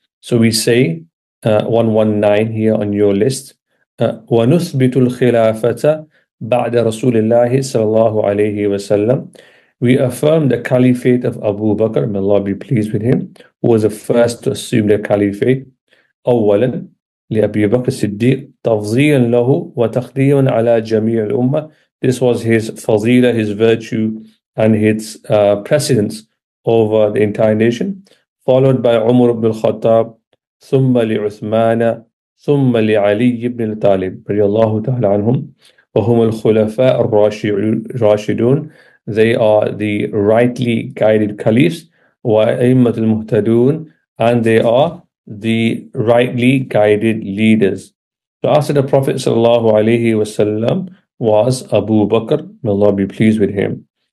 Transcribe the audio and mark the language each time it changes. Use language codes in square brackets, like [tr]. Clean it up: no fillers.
[en] So we say 119 here on your list. [ar] وَنُثْبِتُ الْخِلَافَةَ بَعْدَ رَسُولِ اللَّهِ صَلَى اللَّهُ عَلَيْهِ وَسَلَّمْ. [en] We affirm the caliphate of Abu Bakr, may Allah be pleased with him, who was the first to assume the caliphate. [ar] أولاً لأبي بكر الصديق تفضيلاً له وتخديماً على جميع الأمة. [en] This was his fazila, his virtue, and its precedence over the entire nation. Followed by Umar ibn al-Khattab, [ar] ثم لعثمان ثم لعلي بن طالب رضي الله تعالى عنهم وهم الخلفاء الراشدون. [en] They are the rightly guided caliphs, [ar] وأئمة المهتدون, [en] and they are the rightly guided leaders. So after the Prophet صلى الله عليه وسلم was Abu Bakr, may Allah be pleased with him.